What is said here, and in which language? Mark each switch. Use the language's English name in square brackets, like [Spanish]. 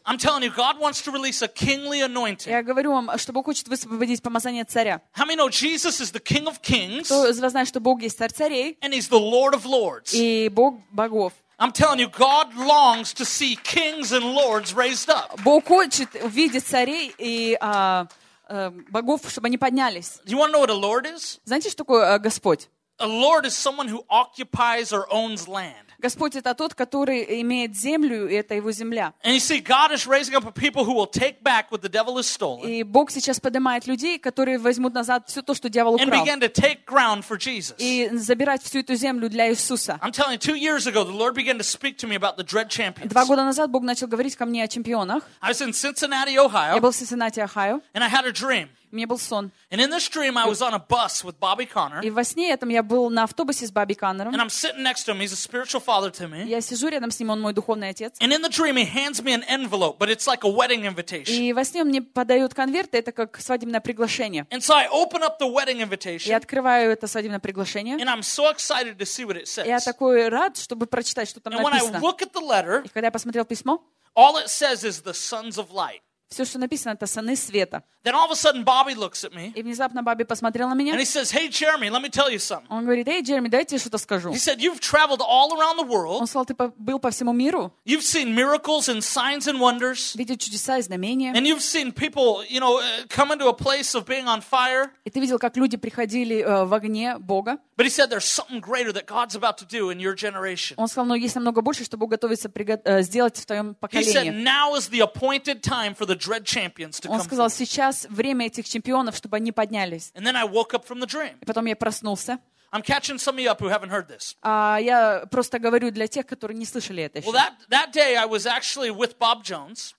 [English] I'm telling you, God wants to release a kingly anointing. [Russian] Я говорю вам, что Бог хочет высвободить помазание царя. [English] How many know Jesus is the King of Kings? [Russian] Кто из вас знает, что Бог есть царь царей? [English] And he's the Lord of Lords. [Russian] И Бог богов. [English] I'm telling you, God longs to see kings and lords raised up. [Russian] Бог хочет увидеть царей и богов, чтобы они поднялись. [English] Do you want to know what a lord is? [Russian] Знаете, что такое Господь? [English] A lord is someone who occupies or owns land. [Russian] Господь это тот, который имеет землю, и это его земля. [English] And you see, God is raising up a people who will take back what the devil has stolen. [Russian] И Бог сейчас поднимает людей, которые возьмут назад все то, что дьявол украл. [English] And begin to take ground for Jesus. [Russian] И забирать всю эту землю для Иисуса. [English] I'm telling you, 2 years ago, the Lord began to speak to me about the dread champions. [Russian] 2 года назад Бог начал говорить ко мне о чемпионах. [English] I was in Cincinnati, Ohio. [Russian] Я был в Cincinnati, Ohio. [English] And I had a dream. [Russian] У меня был сон. [English] And in this dream, I was on a bus with Bobby Connor. [Russian] И во сне этом я был на автобусе с Бобби Коннором. [English] And I'm sitting next to him. He's a spiritual father to me. [Russian] Я сижу рядом с ним, он мой духовный отец. [English] And in the dream, he hands me an envelope, but it's like a wedding invitation. [Russian] И во сне он мне подает конверт, это как свадебное приглашение. [English] And so I open up the wedding invitation. [Russian] Я открываю это свадебное приглашение. [English] And I'm so excited to see what it says. [Russian] Я такой рад, чтобы прочитать, что там написано. [English] And when I look at the letter, [Russian] и когда я посмотрел письмо, [English] all it says is the sons of light. [Russian] Все, что написано, это сыны света. [English] Then all of a sudden Bobby looks at me. [Russian] И внезапно Бобби посмотрел на меня. [English] And he says, "Hey, Jeremy, let me tell you something." [Russian] Он говорит, "Эй, Джереми, дай тебе что-то скажу." [English] He said, "You've traveled all around the world." [Russian] Он сказал, ты был по всему миру. [English] You've seen miracles and signs and wonders. [Russian] Видел чудеса и знамения. [English] And you've seen people, you know, come into a place of being on fire. [Russian] И ты видел, как люди приходили в огне Бога. [English] But he said, "There's something greater that God's about to do in your generation." [Russian] Он сказал, но есть намного больше, что Бог готовится сделать в твоем поколении. [English] He said, "Now is the appointed time for the dread champions to come." [Russian] Он сказал, сейчас время этих чемпионов, чтобы они поднялись. [English] And then I woke up from the dream. [Russian] И потом я проснулся. [English] I'm catching some of you up who haven't heard this. [Russian] Я просто говорю для тех, которые не слышали это еще. [English] Well, that day I was actually with Bob Jones.